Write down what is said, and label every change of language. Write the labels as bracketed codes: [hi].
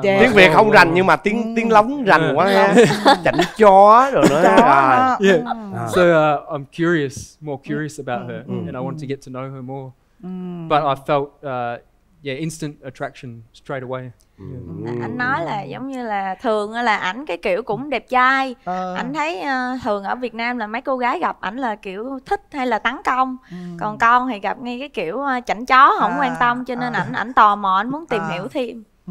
[vi] Tiếng Việt không rành nhưng mà tiếng lóng rành quá ha. Chảnh chó rồi đó. [en] So I'm curious, more curious about her and I want to get to know her more. But I felt instant attraction straight away. [vi] Anh nói là giống như là thường là ảnh cái kiểu cũng đẹp trai. Anh thấy thường ở Việt Nam là mấy cô gái gặp ảnh là kiểu thích hay là tấn công. Còn con thì gặp ngay cái kiểu chảnh chó không quan tâm. Cho nên ảnh tò mò, ảnh muốn tìm hiểu thêm.